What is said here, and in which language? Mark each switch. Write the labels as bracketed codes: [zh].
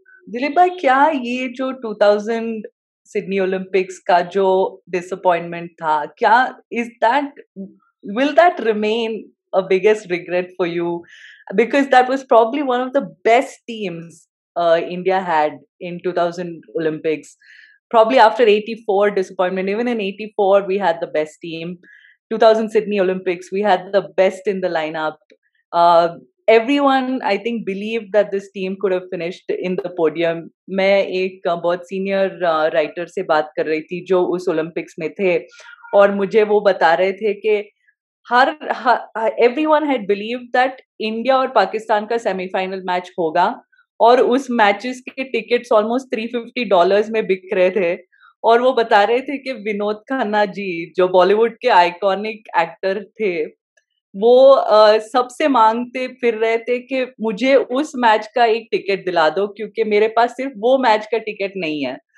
[hi] दिलीप भाई, क्या ये जो 2000 सिडनी ओलंपिक्स का जो डिसअपॉइंटमेंट था, क्या [en] Is that, will that remain a biggest regret for you? Because that was probably one of the best teams India had in 2000 Olympics. Probably after 84 disappointment, even in 84, we had the best team. 2000 Sydney Olympics, we had the best in the lineup. Everyone, I think, believed that this team could have finished in the podium. [hi] मैं एक बहुत senior writer से बात कर रही थी जो उस Olympics में थे और मुझे वो बता रहे थे कि [en] everyone had believed that [hi] India और Pakistan का semi-final match होगा और उस मैचेस के टिकट्स ऑलमोस्ट $350 में बिक रहे थे और वो बता रहे थे कि विनोद खन्ना जी, जो बॉलीवुड के आइकॉनिक एक्टर थे, वो सबसे मांगते फिर रहे थे कि मुझे उस मैच का एक टिकट दिला दो क्योंकि मेरे पास सिर्फ वो मैच का टिकट नहीं है।